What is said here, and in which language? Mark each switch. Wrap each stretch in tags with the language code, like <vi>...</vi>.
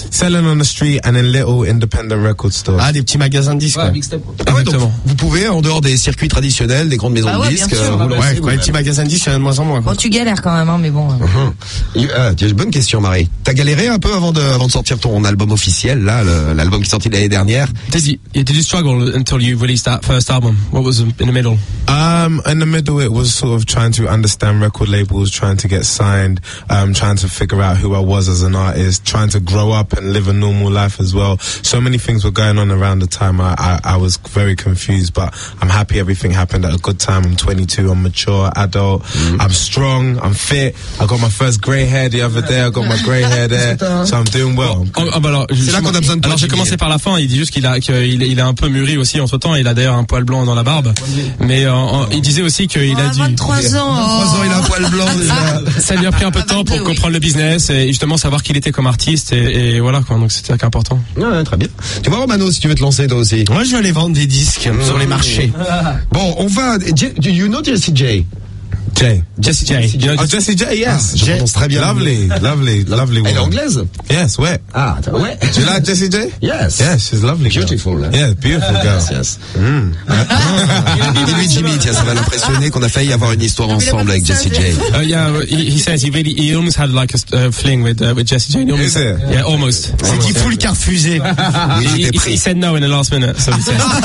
<en>Selling on the street and in little independent record stores.</en> <fr>Ah, des petits magasins de disques. Exactement. Vous pouvez, en dehors des circuits traditionnels, des grandes maisons de disques. Ouais, les petits magasins de disques. De moins en moins. Bon, tu galères quand même, hein, mais bon. Bonne question, Marie. T'as galéré un peu avant de sortir ton album officiel, là, l'album qui est sorti l'année dernière.</fr> <en>Did you struggle until you released that first album? What was in the middle? In the middle, it was sort of trying to understand record labels, trying to get signed, trying to figure out who I was as an artist, trying to grow up and live a normal life as well. So many things were going on around the time. I was very confused, but I'm happy everything happened at a good time. I'm 22, I'm mature, adult. Mm-hmm. I'm strong, I'm fit. I got my first grey hair the other day. I got my grey hair there. So I'm doing well.</en> <fr>Alors j'ai commencé par la fin. Il dit juste qu'il est un peu mûri aussi en ce temps. Il a d'ailleurs un poil blanc dans la barbe. Mais il disait aussi qu'il a dû 23 ans, il a un poil blanc déjà. Ça lui a pris un peu de temps pour comprendre le business et justement savoir qu'il était comme artiste. Et voilà quoi. Donc c'était important. Ouais, très bien. Tu vois Romano, si tu veux te lancer toi aussi. Moi je vais aller vendre des disques sur les marchés. Bon, on va.</fr> <en>Do you know Jesse J? Jessie J.</en> <fr>Je prononce très bien.</fr> <en>Lovely.</en> <fr>Elle est anglaise?</fr> <en>Yes, ouais.</en> <fr>Ah, ouais. Tu l'as, Jessie J?</fr> <en>Yes. Yes, she's lovely. Beautiful. Girl. Yeah, beautiful girl. Yes, yes.</en> <fr>Dis-lui, Jimmy, tiens, ça va l'impressionner qu'on a failli avoir une histoire ensemble avec Jessie J.</fr> <en>He says he really, he almost had like a fling with Jessie J. Is it? Yeah, almost.</en> <fr>C'est dit full qu'a refusé.</fr> <en>He said no in the last minute, so he says.</en>